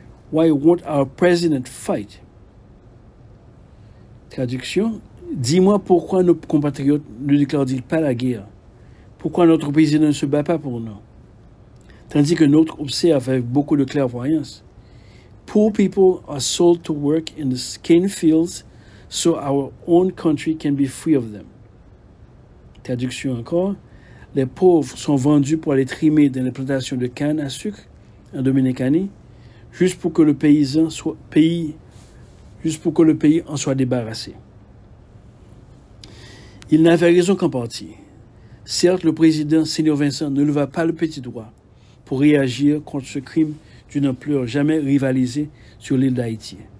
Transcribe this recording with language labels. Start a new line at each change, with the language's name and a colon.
English: Why won't our president fight? »
French: Traduction. Dis-moi pourquoi nos compatriotes ne déclarent-ils pas la guerre? Pourquoi notre président ne se bat pas pour nous? Tandis que notre observe avec beaucoup de clairvoyance.
English: Poor people are sold to work in the cane fields so our own country can be free of them.
French: Traduction encore. Les pauvres sont vendus pour aller trimer dans les plantations de canne à sucre en Dominicanie, juste pour que le pays en soit débarrassé. Il n'avait raison qu'en partie. Certes, le président Senior Vincent ne leva pas le petit doigt pour réagir contre ce crime d'une ampleur jamais rivalisée sur l'île d'Haïti.